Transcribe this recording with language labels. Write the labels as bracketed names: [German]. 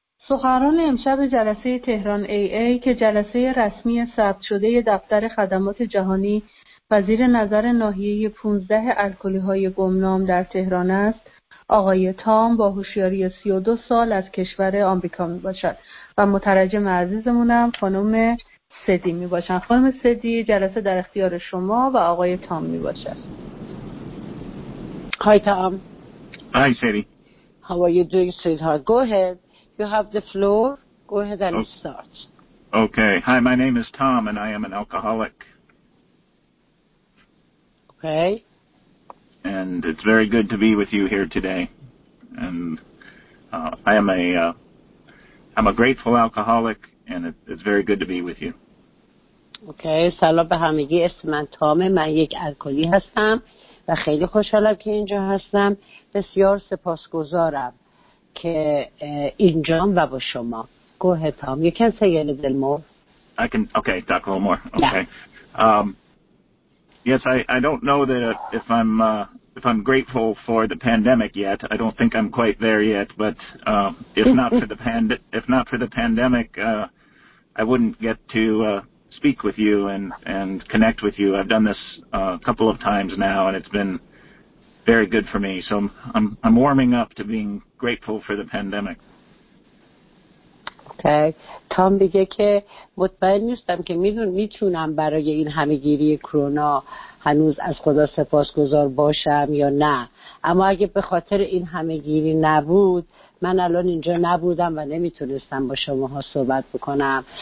[Persian] سخنران امشب جلسه تهران AA که جلسه رسمی ثبت شده دفتر خدمات جهانی و زیر نظر ناحیه 15 الکلی‌های گمنام در تهران است، آقای تام با هوشیاری 32 سال از کشور آمریکا می باشد و مترجم عزیزمونم خانم سدی می باشند. خانم سدی، جلسه در اختیار شما و آقای تام می باشد. [English] Hi Tom. Hi سدی. How are you doing, sweetheart? Go ahead. You have the floor. Go ahead and start. Okay. Hi, my name is Tom and I am an alcoholic. Okay. And it's very good to be with you here today. And I'm a grateful alcoholic, and it's very good to be with you. [Persian] Okay. سلام به همگی. اسم من تامه. من یک الکلی هستم و خیلی خوشحالم که اینجا هستم. بسیار سپاسگزارم که اینجام و با شما. [English] Go ahead, Tom. You can say a little more. I can. Okay. Talk a little more. Okay. Yeah. Yes, I don't know that if I'm grateful for the pandemic yet. I don't think I'm quite there yet. But if not for the pandemic, I wouldn't get to speak with you and connect with you. I've done this a couple of times now, and it's been very good for me. So I'm warming up to being grateful for the pandemic. [Persian] تام میگه که مطمئن نیستم که میتونم برای این همگیری کرونا هنوز از خدا سپاسگزار باشم یا نه، اما اگه به خاطر این همگیری نبود من الان اینجا نبودم و نمیتونستم با شماها صحبت بکنم.